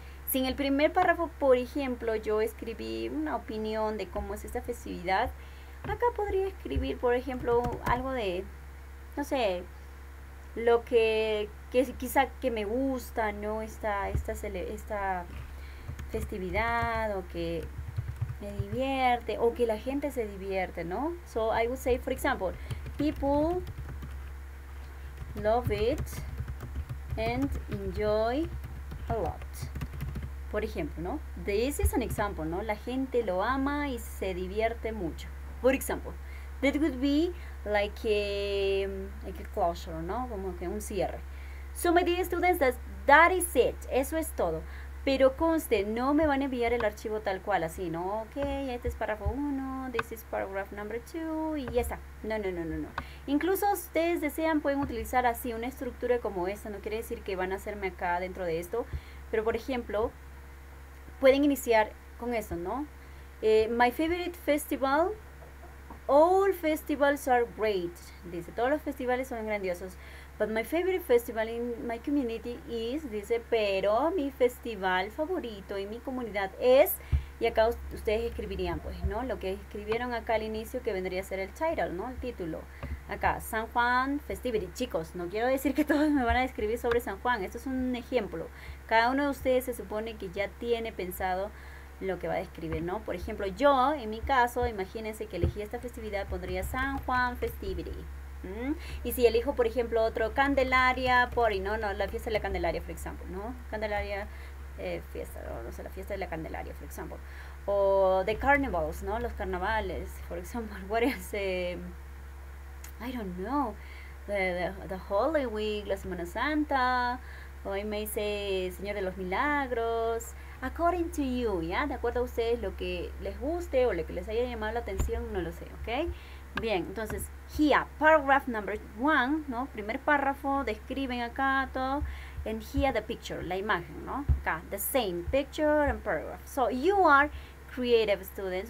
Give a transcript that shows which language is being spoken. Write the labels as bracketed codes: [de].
[es] Si en el primer párrafo, por ejemplo, yo escribí una opinión de cómo es esta festividad, acá podría escribir, por ejemplo, algo de, no sé, lo que quizá que me gusta, ¿no? Esta festividad, o que me divierte, o que la gente se divierte, ¿no? [en] So I would say, for example, people love it and enjoy a lot. [es] Por ejemplo, ¿no? [en] This is an example, ¿no? [es] La gente lo ama y se divierte mucho. Por ejemplo, [en] that would be like a closure, [es] ¿no? Como que un cierre. [en] So, my dear students, that is it. [es] Eso es todo. Pero conste, no me van a enviar el archivo tal cual, así, ¿no? Ok, este es párrafo 1, [en] this is paragraph number 2, [es] y ya está. No, no, no, no, no. Incluso ustedes desean, pueden utilizar así una estructura como esta. No quiere decir que van a hacerme acá dentro de esto. Pero, por ejemplo, pueden iniciar con eso, ¿no? [en] My favorite festival. All festivals are great. [es] Dice, todos los festivales son grandiosos. [en] But my favorite festival in my community is. [es] Dice, pero mi festival favorito en mi comunidad es. Y acá ustedes escribirían, pues, ¿no? Lo que escribieron acá al inicio que vendría a ser el title, ¿no? El título. Acá, San Juan Festivity. Chicos, no quiero decir que todos me van a escribir sobre San Juan. Esto es un ejemplo. Cada uno de ustedes se supone que ya tiene pensado lo que va a escribir, ¿no? Por ejemplo, yo, en mi caso, imagínense que elegí esta festividad, pondría San Juan Festivity. Y si elijo, por ejemplo, otro, Candelaria Party, ¿no? No, la fiesta de la Candelaria, por ejemplo, ¿no? Candelaria fiesta, ¿no? No sé, la fiesta de la Candelaria, por ejemplo. O [en] the carnivals, [es] ¿no? Los carnavales, por ejemplo. [en] What is, I don't know, the Holy Week, [es] la Semana Santa. Hoy me dice Señor de los Milagros. [en] According to you, [es] ¿ya? De acuerdo a ustedes, lo que les guste o lo que les haya llamado la atención, no lo sé, ¿ok? Bien, entonces, [en] here, paragraph number one, ¿no? [es] Primer párrafo, describen acá todo. [en] And here, the picture, [es] la imagen, ¿no? [en] Acá, the same picture and paragraph. So, you are creative students.